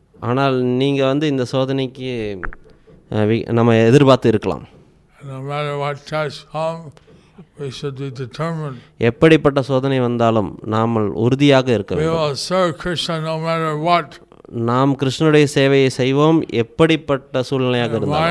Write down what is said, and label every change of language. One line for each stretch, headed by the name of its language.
Tamil: ஆனால் நீங்கள் வந்து இந்த சோதனைக்கு நம்ம எதிர்பார்த்து இருக்கலாம்.
English: No matter what test comes, we should be determined.
Tamil: எப்படிப்பட்ட சோதனை வந்தாலும் நாம் உறுதியாக இருக்க வேண்டும்.
English: We will serve Krishna no matter what.
Tamil: நாம் கிருஷ்ணருடைய சேவையை செய்வோம் எப்படிப்பட்ட சூழ்நிலையாக இருந்தாலும்.